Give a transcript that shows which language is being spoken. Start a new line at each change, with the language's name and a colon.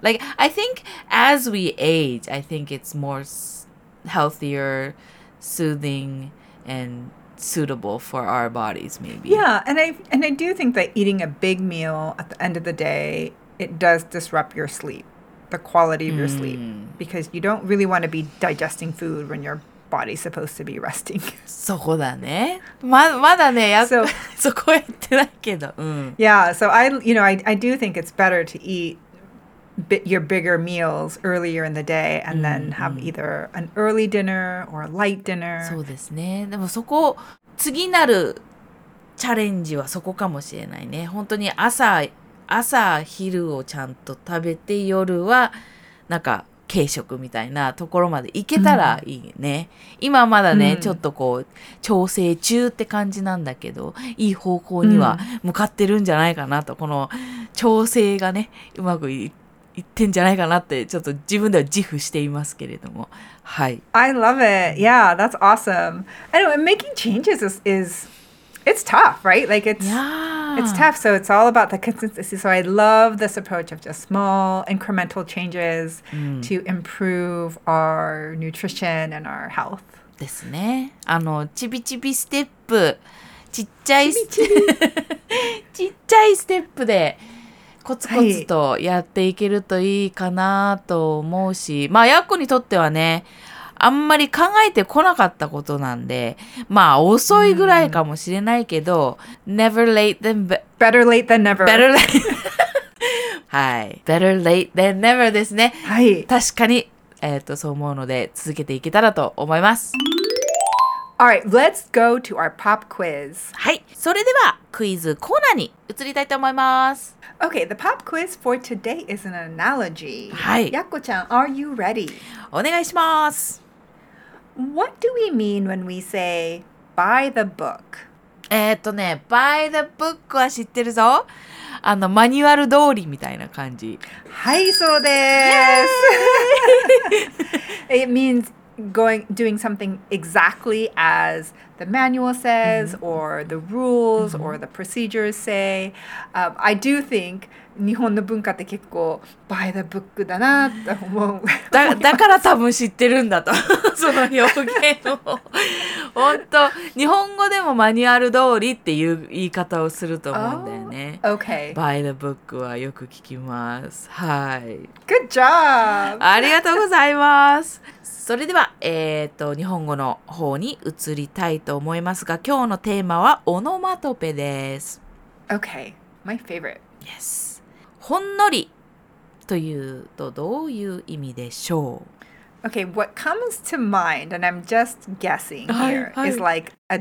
English: like I think as we age I think it's more healthier, soothing and suitable for our bodies maybe. Yeah, and I do think that eating a big meal at the end of the day, it does disrupt your sleep, the quality of your sleep, because you don't really want to be digesting food when your body's supposed to be resting.
Japanese: そこだね。まだね、やっ、そこへ行ってないけど。
English: Yeah, so I, you know, I do think it's better to eat your bigger meals earlier in the day and then have either an early dinner or a light dinner.
Japanese: そうですね。でもそこ、次なるチャレンジはそこかもしれないね。本当に朝昼をちゃんと食べて、夜はなんか軽食みたいなところまで行けたらいいね。今まだね、ちょっとこう調整中って感じなんだけど、いい方向には向かってるんじゃないかなと、この調整がね、うまくいって言ってんじゃないかなってちょっと自分では自負していますけれども、はい。
English: I love it. Yeah, that's awesome. Anyway, making changes is it's tough, right? Like it's tough. So it's all about the consistency. So I love this approach of just small incremental changes to improve our nutrition and our health.
Japanese: ですね。あの、ちびちびステップ、ちっちゃいちびちび、ちっちゃいステップで。コツコツとやっていけるといいかなと思うし、はい、まあやっこにとってはね、あんまり考えてこなかったことなんで、まあ遅いぐらいかもしれないけど、
English: Never late than better late than never. Better late. はい、Better late than never ですね。
Japanese: はい。確かに、そう思うので続けていけたらと思います。
English: All right, let's go to our pop quiz.
Japanese: はい、それではクイズコーナーに移りたいと思います。
English: Okay, the pop quiz for today is an analogy.
Japanese: はい。やっこちゃん、
English: are you ready?
Japanese: お願いします。
English: What do we mean when we say buy the book?
Japanese: buy the book は知ってるぞ。あの、マニュアル通りみたいな感じ。はい、そうです。
English: It means doing something exactly as the manual says、mm-hmm. or the rules、mm-hmm. or the procedures say.、I do think
Japanese: 日本の文化って結構
English: by the book
Japanese: だなと思う。だから多分知ってるんだと。その表現を。本当、日本語でもマニュアル通りっていう言い方をすると思うんだよね。
English: Oh, okay.
Japanese: By the book はよく聞きます。はい。
English: Good job!
Japanese: ありがとうございます。それでは、日本語の方に移りたいと思いますが、今日のテーマはオノマトペです。
English: Okay, my favorite. Yes.
Japanese: ほんのりというとどういう意味でしょう?
English: Okay, what comes to mind, and I'm just guessing here, はい、はい、is like a dollop.